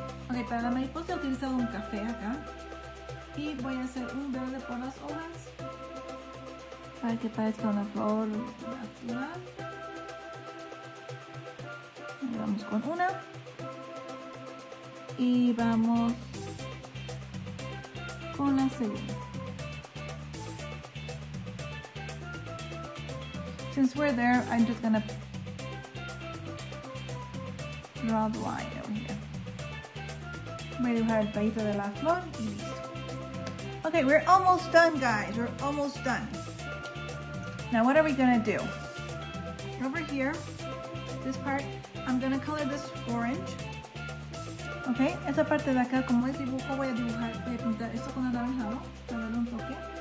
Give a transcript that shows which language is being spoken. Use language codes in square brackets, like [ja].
[es] Ok, para la mariposa he utilizado un café acá y voy a hacer un verde por las hojas para que parezca una flor natural. Vamos con una y vamos con la segunda. [en] Since we're there, I'm just gonna draw the line over here. [es] Voy a dibujar el tallito de la flor y listo. [en] Okay, we're almost done, guys. We're almost done. Now, what are we gonna do? Over here, this part, I'm gonna color this orange. [es] Okay, esta parte de acá, como es dibujo, voy a pintar esto con anaranjado para darle un toque.